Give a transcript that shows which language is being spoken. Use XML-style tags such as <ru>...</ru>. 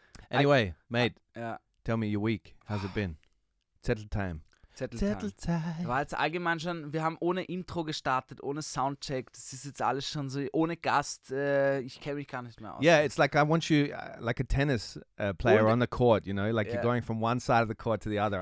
<en>Anyway, tell me your week. How's it been? Zettel-Time.</en> <de>War jetzt allgemein schon, wir haben ohne Intro gestartet, ohne Soundcheck, das ist jetzt alles schon so, ohne Gast, ich kenne mich gar nicht mehr aus.</de> <en>Yeah, it's like I want you, like a tennis player ohne. On the court, you know, like you're going from one side of the court to the other.</en>